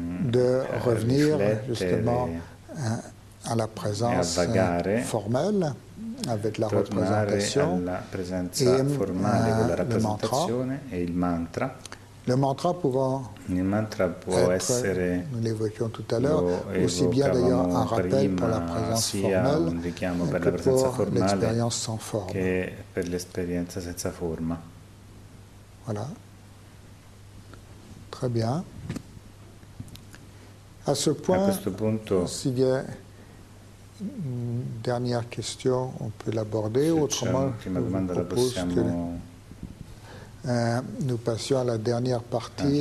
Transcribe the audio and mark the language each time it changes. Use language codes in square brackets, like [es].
[fr] de revenir justement à la présence formelle, avec la [it] representation, alla presenza formale con la rappresentazione e il mantra. Il mantra può essere, [fr] nous l'évoquions tout à l'heure, aussi bien d'ailleurs un rappel pour la présence formelle, [it] un richiamo per la presenza formale, che per l'esperienza senza forma. [fr] Voilà. Très bien. À ce point, [it] a questo punto, [fr] s'il y a dernière question, on peut l'aborder, autrement, [it] l'ultima domanda la possiamo. [fr] Nous passions à la dernière partie.